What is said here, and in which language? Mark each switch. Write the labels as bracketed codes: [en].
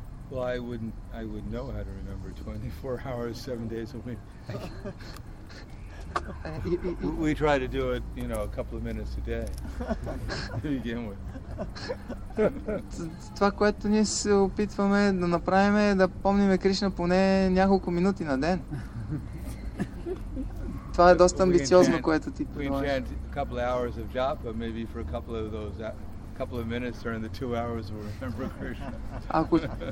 [en] Well, I would know how to remember 24 hours, 7 days a week. We try to do it, you know, a couple of minutes a day to begin with. [bg] Това, което ние се опитваме да направим е да помним Кришна поне няколко минути на ден. Това е доста амбициозно, което ти предлагаш. [en] We chant a couple of hours of japa, maybe for a couple of those couple of minutes during the 2 hours we remember Krishna.